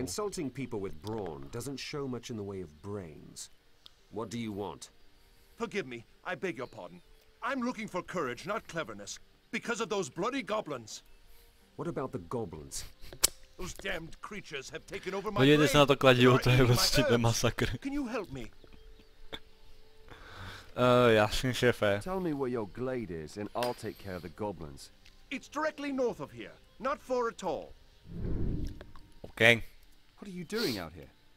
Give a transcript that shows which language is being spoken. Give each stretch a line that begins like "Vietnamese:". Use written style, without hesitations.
English: Insulting people with brawn doesn't show much in the way of brains. What do you want? Forgive me, I beg your pardon. I'm looking for courage, not cleverness, because of those bloody goblins. What about the goblins? Those damned creatures have taken over my brain.
Czech: Podívejte se na to kladivo, to je vlastně ten masakr.
English: Can you help me?
Czech: Jasně, šéfe.
English: Tell me where your glade is and I'll take care of the goblins. It's directly north of here, not far at all. Okay. What are you doing out here?